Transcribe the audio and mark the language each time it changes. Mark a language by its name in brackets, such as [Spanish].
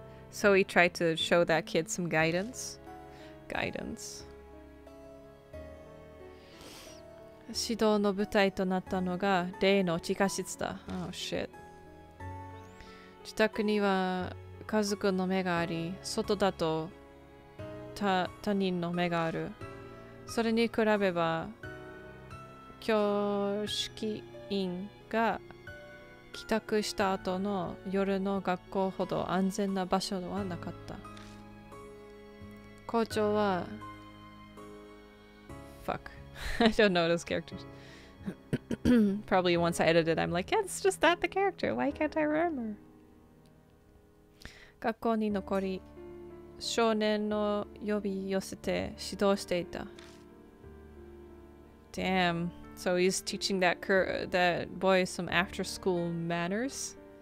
[English] So he tried to show that kid some guidance? Guidance. [Japanese] 指導の舞台となったのが例の地下室だ。 [English] Oh, shit. [Japanese] 自宅には家族の目があり、外だと他人の目がある。それに比べば、教室員が帰宅した後の夜の学校ほど安全な場所はなかった。校長は [English] Fuck. I don't know those characters. Probably once I edited, I'm like, yeah, it's just that the character. Why can't I remember? [Japanese] 学校に残り、少年の呼び寄せて指導していた。 [English] Damn. So he's teaching that boy some after school manners.